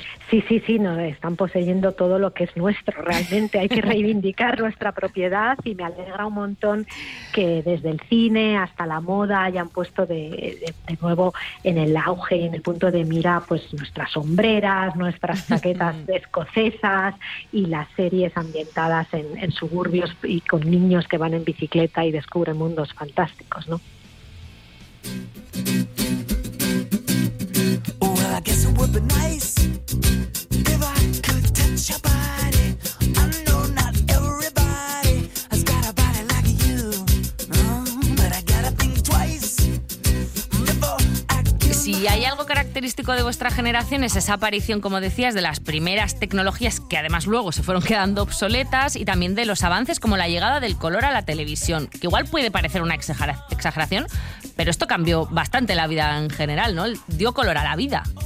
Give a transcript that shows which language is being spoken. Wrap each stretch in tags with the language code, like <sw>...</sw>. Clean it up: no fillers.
<es>Sí, nos están poseyendo todo lo que es nuestro. Realmente hay que reivindicar nuestra propiedad y me alegra un montón que desde el cine hasta la moda hayan puesto de nuevo en el auge, en el punto de mira, pues nuestras sombreras, nuestras chaquetas escocesas y las series ambientadas en suburbios y con niños que van en bicicleta y descubren mundos fantásticos, ¿no?</es> <en>I guess it would be nice if I could touch your body. I know not everybody has got a body like you, but I gotta think twice before I kill.</en> <es>Si hay algo característico de vuestra generación es esa aparición, como decías, de las primeras tecnologías que además luego se fueron quedando obsoletas y también de los avances como la llegada del color a la televisión, que igual puede parecer una exageración, pero esto cambió bastante la vida en general, ¿no? Dio color a la vida.</es>